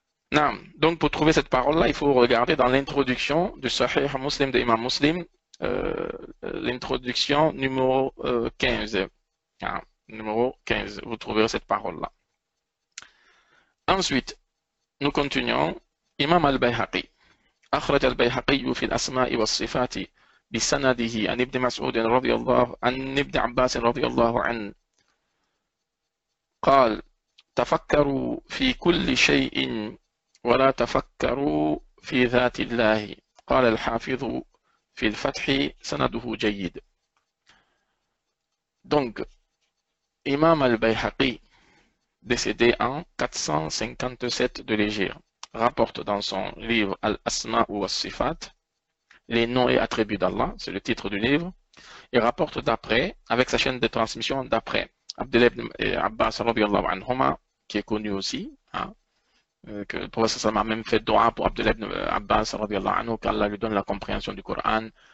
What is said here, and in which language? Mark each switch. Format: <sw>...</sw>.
<fr>Non. Donc, pour trouver cette parole-là, il faut regarder dans l'introduction du Sahih Muslim de Imam Muslim, l'introduction numéro 15. Ah, numéro 15, vous trouverez cette parole-là. Ensuite, nous continuons. Imam al-Bayhaqi.</fr> <ar>أخرج البيهقي في الأسماء والصفات بسنده عن ابن مسعود رضي الله عن ابن عباس رضي الله عنه قال تفكروا في كل شيء ولا تفكروا في ذات الله قال الحافظ في الفتح سنده جيد.</ar> <fr>Donc, Imam al-Bayhaqi, décédé en 457 de l'Hégire, rapporte dans son livre Al-Asma ou Al-Sifat, les noms et attributs d'Allah, c'est le titre du livre, et rapporte d'après, avec sa chaîne de transmission, d'après Abdullah ibn Abbas, qui est connu aussi, hein, que le Prophète sallam a même fait doa pour Abdullah ibn Abbas, qu'Allah lui donne la compréhension du Coran.</fr>